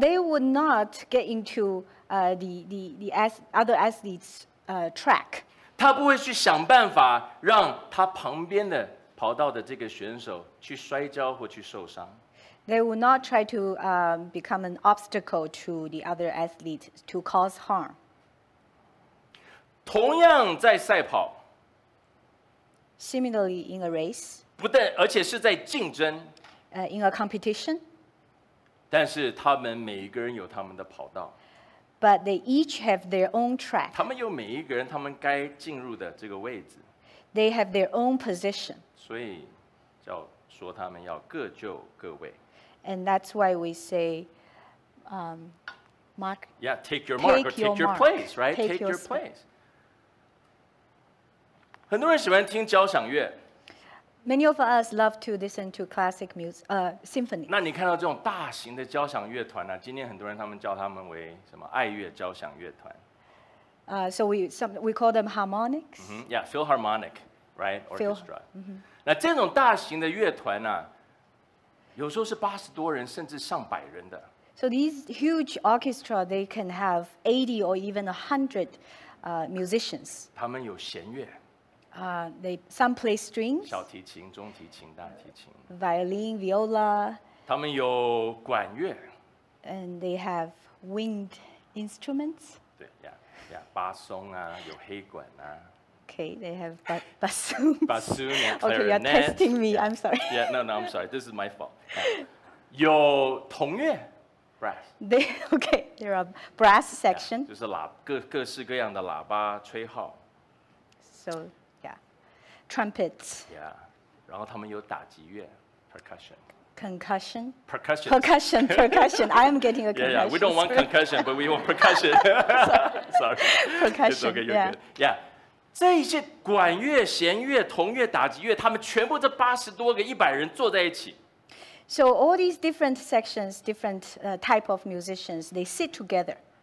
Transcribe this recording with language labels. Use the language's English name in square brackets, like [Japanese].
[English] they would not get into the other athletes' track. [Chinese] 他不会去想办法让他旁边的跑道的这个选手去摔跤或去受伤。 [English] They will not try to become an obstacle to the other athlete to cause harm. [Chinese] 同样在赛跑, [English] similarly in a race, [Chinese] 不但, 而且是在竞争, [English] in a competition, [Chinese] 但是他们每一个人有他们的跑道, [English] but they each have their own track. [Chinese] 他们有每一个人他们该进入的这个位置, [English] they have their own position. [Chinese] 所以叫说他们要各就各位。 [English] And that's why we say, mark. Yeah, take your mark or take your place, right? Take your place. [Chinese] 很多人喜欢听交响乐。 [English] Many of us love to listen to classic music, symphony. [Chinese] 那你看到这种大型的交响乐团呢？今天很多人他们叫他们为什么爱乐交响乐团？ [English] So we call them harmonics. Mm-hmm. Yeah, Philharmonic, right? Orchestra. [Chinese] 那这种大型的乐团呢，有时候是80多人，甚至上百人的。 [English] So these huge orchestra, they can have 80 or even 100 musicians. [Chinese] 他们有弦乐。 [English] Some play strings. [Chinese] 小提琴、中提琴、大提琴。 [English] Violin, viola. [Chinese] 他们有管乐。 [English] And they have wind instruments. [Chinese] 对呀。Yeah, 巴松啊，有黑管啊。 [English] Okay, they have bassoon. Bassoon and clarinet. Okay, you're testing me. Yeah. I'm sorry. Yeah, no, I'm sorry. This is my fault. Yeah. [Chinese] 有铜乐 [English] brass. There are brass section. [Chinese] Yeah, 就是各式各样的喇叭吹号。 [English] So, yeah, trumpets. [Chinese] Yeah, 然后他们有打击乐 percussion. [English] Concussion? Percussion. Percussion, percussion. I am getting a concussion. Yeah, yeah. We don't want concussion, but we want percussion. Sorry. Percussion, it's okay, you're yeah. Good. Yeah. [Chinese] 这些管乐、弦乐、铜乐、打击乐，他们全部这八十多个、一百人坐在一起。 [English] So all these different sections, different type of musicians, they sit together.